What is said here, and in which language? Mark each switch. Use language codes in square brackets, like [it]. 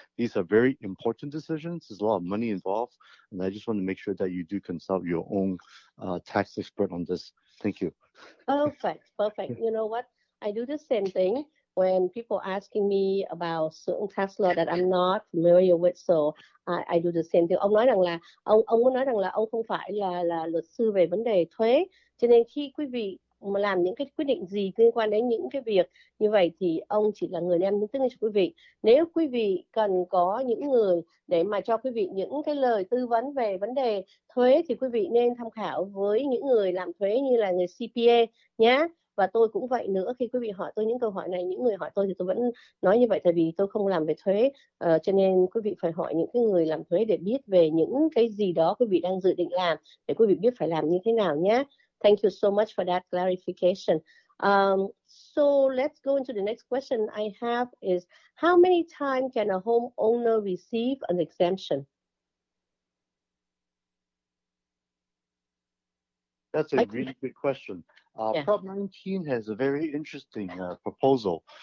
[en] These are very important decisions. There's a lot of money involved, and I just want to make sure that you do consult your own tax expert on this. Thank you. Perfect, perfect. You know what? I do the same thing when people asking me about certain tax law that I'm not familiar with, so I do the same thing. [vi] Ông nói rằng là ông muốn nói rằng là ông không phải là luật sư về vấn đề thuế, cho nên khi quý vị mà làm những cái quyết định gì liên quan đến những cái việc như vậy thì ông chỉ là người đem tin cho quý vị. Nếu quý vị cần có những người để mà cho quý vị những cái lời tư vấn về vấn đề thuế thì quý vị nên tham khảo với những người làm thuế như là người CPA nhé. Và tôi cũng vậy nữa, khi quý vị hỏi tôi những câu hỏi này, những người hỏi tôi thì tôi vẫn nói như vậy, tại vì tôi không làm về thuế, cho nên quý vị phải hỏi những cái người làm thuế để biết về những cái gì đó quý vị đang dự định làm để quý vị biết phải làm như thế nào nhé. [en] Thank you so much for that clarification. So let's go into the next question I have is, how many times can a homeowner receive an exemption? That's a really good question. Prop 19 has a very interesting proposal.